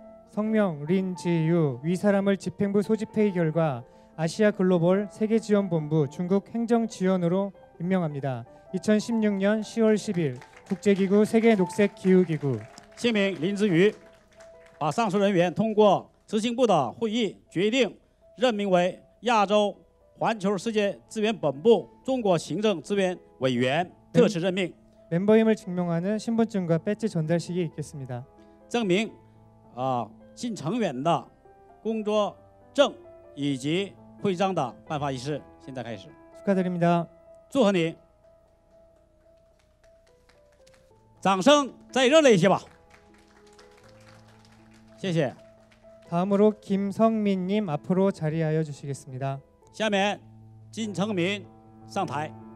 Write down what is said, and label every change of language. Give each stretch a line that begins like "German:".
Korean: 성명 린지유 위 사람을 집행부 소집회의 결과 아시아 글로벌 세계 지원 본부 중국 행정 지원으로 임명합니다. 2016년 10월 10일 국제 기구 세계 녹색 기후 기구.
Chinese: 신명 린지유 把上述人员通过执行部的会议决定任命为亚洲环球世界资源本部中国行政资源委员特使任命。
Korean: 멤버임을 증명하는 신분증과 배지 전달식이 있겠습니다.
Chinese: 증명 新成员的工作证以及徽章的颁发仪式现在开始。
Korean: 축하드립니다.
Chinese: 祝贺你。掌声再热烈一些吧。谢谢。
Korean: 다음으로 김성민님 앞으로 자리하여 주시겠습니다.
Chinese: 下面金成民上台。